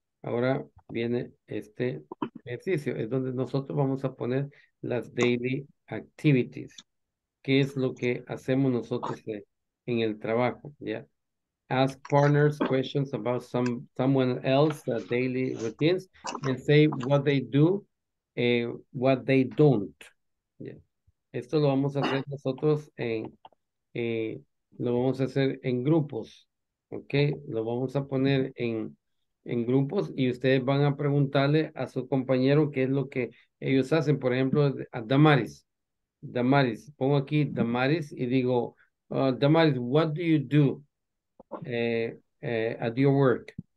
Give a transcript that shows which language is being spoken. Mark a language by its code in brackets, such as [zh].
[es] Ahora viene este ejercicio, es donde nosotros vamos a poner las daily activities. ¿Qué es lo que hacemos nosotros en el trabajo? [en] Yeah. Ask partners questions about someone else's daily routines and say what they do and what they don't. Yeah. [es] Esto lo vamos a hacer nosotros lo vamos a hacer en grupos. Okay, lo vamos a poner en grupos y ustedes van a preguntarle a su compañero qué es lo que ellos hacen. Por ejemplo, a Damaris. Damaris, pongo aquí Damaris y digo, Damaris, [en] what do you do at your work?